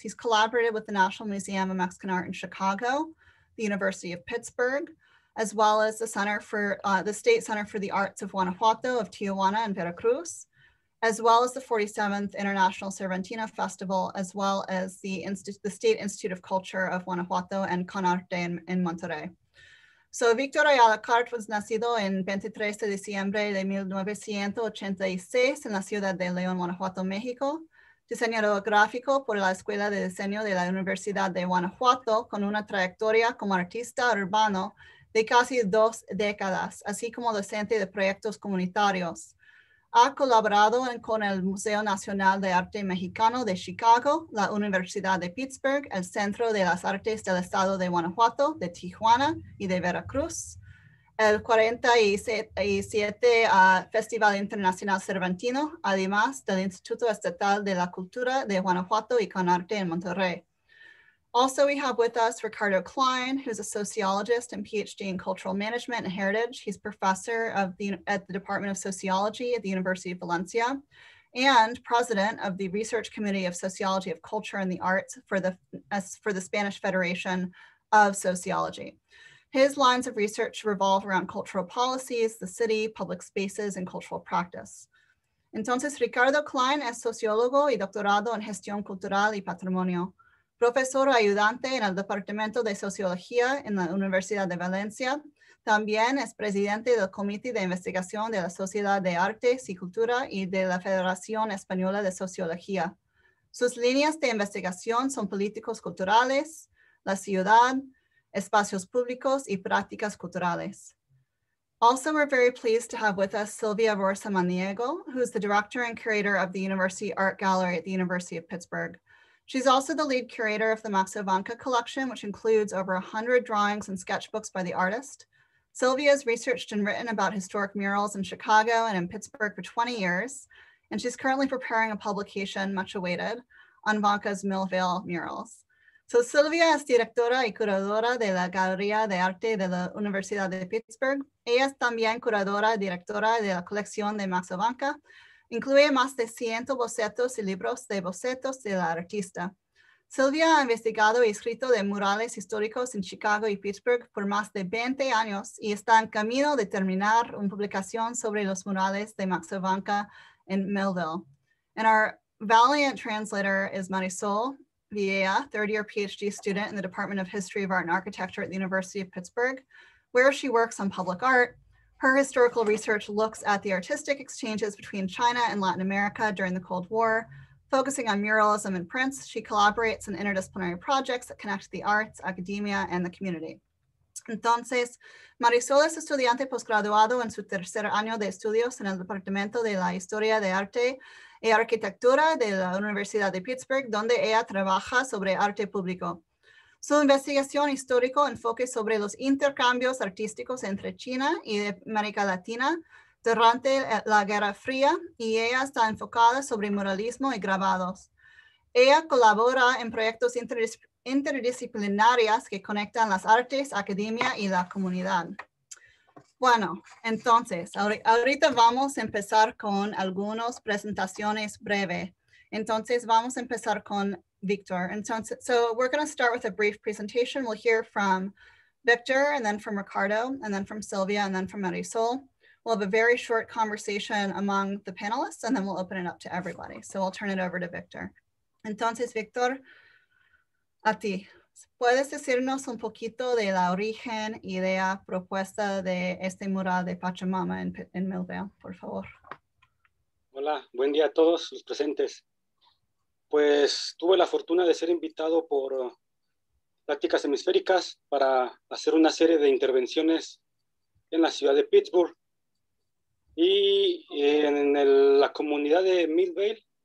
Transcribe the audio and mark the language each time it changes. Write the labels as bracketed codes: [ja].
[en] He's collaborated with the National Museum of Mexican Art in Chicago, the University of Pittsburgh, as well as the Center for the State Center for the Arts of Guanajuato of Tijuana and Veracruz, as well as the 47th International Cervantino Festival, as well as the State Institute of Culture of Guanajuato and ConArte in Monterrey. So Victor Ayala Cart was [es] nacido en 23 de diciembre de 1986 en la ciudad de León, Guanajuato, México. Diseñador gráfico por la Escuela de Diseño de la Universidad de Guanajuato con una trayectoria como artista urbano de casi dos décadas, así como docente de proyectos comunitarios. Ha colaborado con el Museo Nacional de Arte Mexicano de Chicago, la Universidad de Pittsburgh, el Centro de las Artes del Estado de Guanajuato, de Tijuana y de Veracruz, el 47 Festival Internacional Cervantino, además del Instituto Estatal de la Cultura de Guanajuato y ConArte en Monterrey. [en] Also, we have with us Ricardo Klein, who's a sociologist and PhD in cultural management and heritage. He's professor of at the Department of Sociology at the University of Valencia and president of the Research Committee of Sociology of Culture and the Arts for the Spanish Federation of Sociology. His lines of research revolve around cultural policies, the city, public spaces, and cultural practice. [es] Entonces, Ricardo Klein es sociólogo y doctorado en gestión cultural y patrimonio. Profesor ayudante en el Departamento de Sociología en la Universidad de Valencia. También es presidente del Comité de Investigación de la Sociedad de Artes y Cultura y de la Federación Española de Sociología. Sus líneas de investigación son políticos culturales, la ciudad, espacios públicos y prácticas culturales. [en] Also, we're very pleased to have with us Sylvia Rohr Samaniega, who is the director and curator of the University Art Gallery at the University of Pittsburgh. She's also the lead curator of the Maxo Vanka Collection, which includes over 100 drawings and sketchbooks by the artist. Sylvia has researched and written about historic murals in Chicago and in Pittsburgh for 20 years, and she's currently preparing a publication, much awaited, on Vanka's Millvale murals. [es] So Sylvia es directora y curadora de la Galería de Arte de la Universidad de Pittsburgh. Ella es también curadora y directora de la colección de Maxo Vanka. Incluye más de 100 bocetos y libros de bocetos de la artista. Sylvia ha investigado y escrito de murales históricos en Chicago y Pittsburgh por más de 20 años y está en camino de terminar una publicación sobre los murales de Maxo Vanka en Millvale. [en] And our valiant translator is Marisol Villela, third-year PhD student in the Department of History of Art and Architecture at the University of Pittsburgh, where she works on public art. Her historical research looks at the artistic exchanges between China and Latin America during the Cold War. Focusing on muralism and prints, she collaborates in interdisciplinary projects that connect the arts, academia, and the community. [es] Entonces, Marisol es estudiante postgraduado en su tercer año de estudios en el Departamento de la Historia de Arte y Arquitectura de la Universidad de Pittsburgh, donde ella trabaja sobre arte público. Su investigación histórico enfoca sobre los intercambios artísticos entre China y América Latina durante la Guerra Fría y ella está enfocada sobre muralismo y grabados. Ella colabora en proyectos interdisciplinarios que conectan las artes, academia y la comunidad. Bueno, entonces, ahorita vamos a empezar con algunas presentaciones breves. Entonces, vamos a empezar con Victor. [en] And so we're going to start with a brief presentation. We'll hear from Victor and then from Ricardo and then from Sylvia and then from Marisol. We'll have a very short conversation among the panelists, and then we'll open it up to everybody. So I'll turn it over to Victor. [es] Entonces, Victor, a ti. ¿Puedes decirnos un poquito de la origen, idea, propuesta de este mural de Pachamama en Millvale, por favor? Hola, buen día a todos los presentes. Pues tuve la fortuna de ser invitado por Pláticas Hemisféricas para hacer una serie de intervenciones en la ciudad de Pittsburgh y en la comunidad de Millvale.